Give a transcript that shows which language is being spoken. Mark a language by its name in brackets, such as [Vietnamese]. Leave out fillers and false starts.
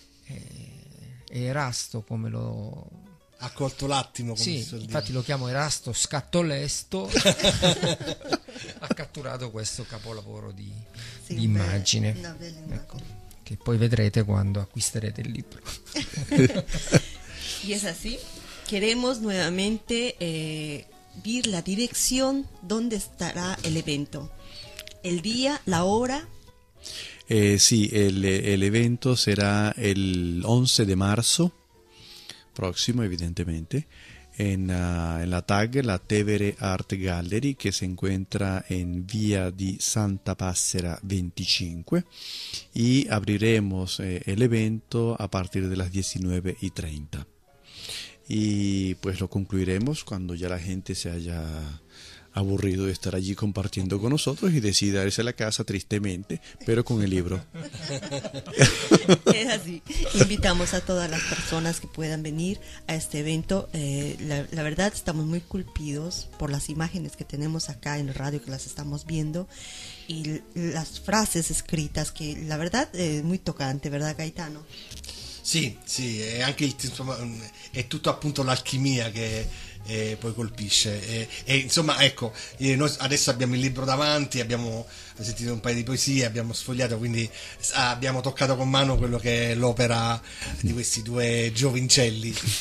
[Italian] E Erasto, come lo... ha colto l'attimo, come sì, si suol infatti dire. Lo chiamo Erasto Scatto Lesto, ha catturato questo capolavoro di, sì, di immagine. Una bella immagine. Ecco, che poi vedrete quando acquisterete il libro. [Spanish] Y es así. Queremos nuevamente ver la dirección donde estará el evento. El día, la hora. Sí, el evento será el 11 de marzo, próximo evidentemente, en la TAG, la Tevere Art Gallery, que se encuentra en Vía de Santa Passera 25. Y abriremos el evento a partir de las 19:30. Y pues lo concluiremos cuando ya la gente se haya aburrido de estar allí compartiendo con nosotros y decida irse a la casa tristemente, pero con el libro. Es así. Invitamos a todas las personas que puedan venir a este evento. La verdad, estamos muy culpidos por las imágenes que tenemos acá en el radio, que las estamos viendo, y las frases escritas, que la verdad es muy tocante, ¿verdad, Gaetano? [Italian] Sì, sì, è anche il, insomma, è tutto appunto l'alchimia che poi colpisce. E insomma, ecco, noi adesso abbiamo il libro davanti, abbiamo sentito un paio di poesie, abbiamo sfogliato, quindi abbiamo toccato con mano quello che è l'opera di questi due giovincelli.